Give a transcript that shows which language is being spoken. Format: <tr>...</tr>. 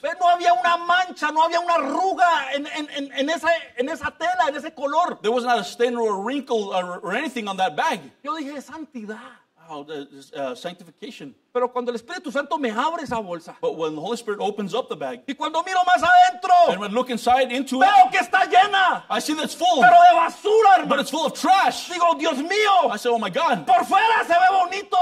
<es>Pero no había una mancha, no había una arruga en esa tela, en ese color.</es> <en>There was not a stain or a wrinkle or anything on that bag.</en> <es>Yo dije, santidad.</es> <en>Oh, sanctification.</en> <es>Pero cuando el Espíritu Santo me abre esa bolsa.</es> <en>But when the Holy Spirit opens up the bag.</en> <es>Y cuando miro más adentro.</es> <en>And when I look inside into</en> <es>veo</es> <en>it.</en> <es>Veo que está llena.</es> <en>I see that it's full.</en> <es>Pero de basura, hermano.</es> <en>But it's full of trash.</en> <es>Digo, Dios mío.</es> <en>I say, oh my God.</en> <es>Por fuera se ve bonito.</es>